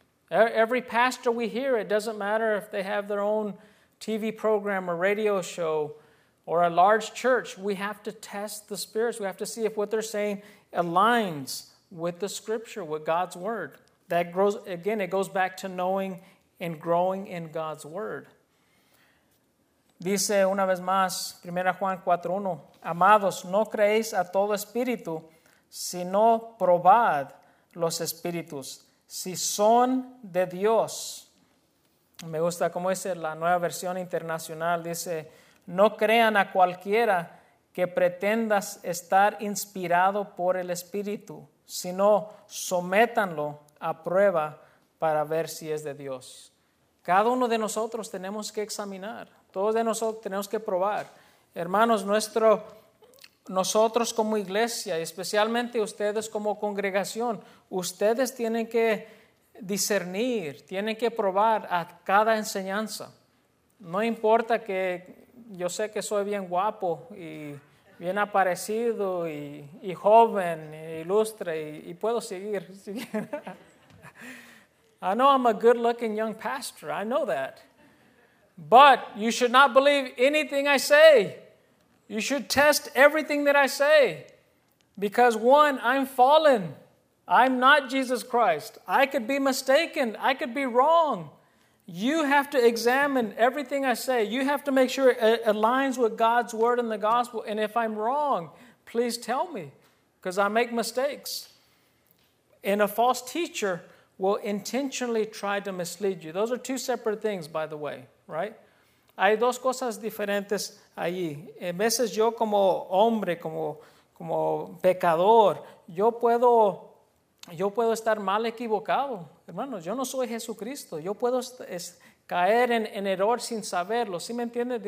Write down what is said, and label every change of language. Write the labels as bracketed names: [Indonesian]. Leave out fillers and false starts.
[English] Every pastor we hear, it doesn't matter if they have their own TV program or radio show or a large church. We have to test the spirits. We have to see if what they're saying aligns with the scripture, with God's word. That grows, again, it goes back to knowing and growing in God's word. [Spanish] Dice una vez más, 1 Juan 4:1, amados, no creéis a todo espíritu, sino probad los espíritus, si son de Dios. Me gusta cómo dice la nueva versión internacional, dice, no crean a cualquiera que pretenda estar inspirado por el Espíritu, sino sométanlo a prueba para ver si es de Dios. Cada uno de nosotros tenemos que examinar, todos de nosotros tenemos que probar. Hermanos, nosotros como iglesia, y especialmente ustedes como congregación, ustedes tienen que discernir, tienen que probar a cada enseñanza. No importa que yo sé que soy bien guapo y bien aparecido y joven e ilustre y puedo seguir. [English] I know I'm a good looking young pastor, I know that. But you should not believe anything I say. You should test everything that I say. Because one, I'm fallen. I'm not Jesus Christ. I could be mistaken. I could be wrong. You have to examine everything I say. You have to make sure it aligns with God's word and the gospel. And if I'm wrong, please tell me, because I make mistakes. And a false teacher will intentionally try to mislead you. Those are two separate things, by the way, right? [Spanish] Hay dos cosas diferentes allí. A veces yo como hombre, como pecador, yo puedo estar mal equivocado. Hermanos, yo no soy Jesucristo. Yo puedo caer en error sin saberlo. ¿Sí me entiendes?